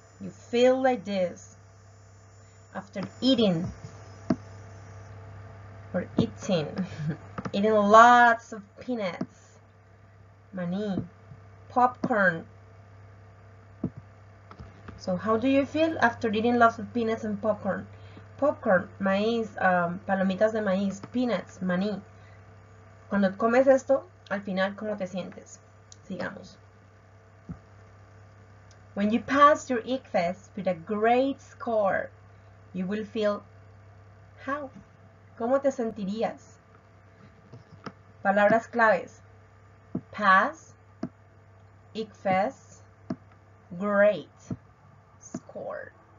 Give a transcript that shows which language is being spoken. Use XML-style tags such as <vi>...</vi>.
<en>You feel like this after eating or eating. Eating lots of peanuts, maní, popcorn. So how do you feel after eating lots of peanuts and popcorn?</en> <es>Popcorn, maíz, palomitas de maíz, peanuts, maní. Cuando comes esto, al final, ¿cómo te sientes? Sigamos.</es> <en>When you pass your ICFES with a great score, you will feel How?</en> <es>¿Cómo te sentirías? Palabras claves: pass, ich fest, great, score.</es>